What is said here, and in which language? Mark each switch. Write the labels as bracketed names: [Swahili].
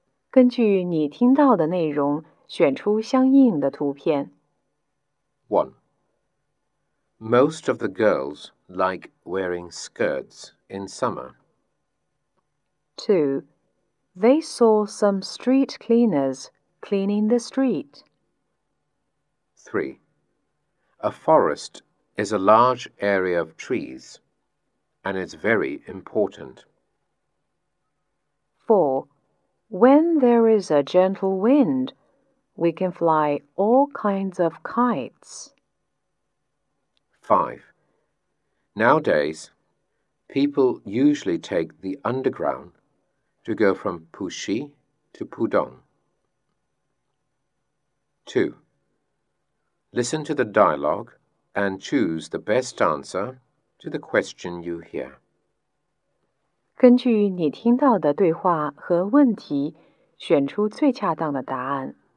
[Chinese] 根据你听到的内容选出相应的图片 [English] 1 Most of the girls like wearing skirts in summer 2 They saw some street cleaners cleaning the street. 3. A forest is a large area of trees and is very important. 4. When there is a gentle wind, we can fly all kinds of kites. 5. Nowadays, people usually take the underground to go from Puxi to Pudong. 2. Listen to the dialogue and choose the best answer to the question you hear. [Chinese] 根据你听到的对话和问题选出最恰当的答案。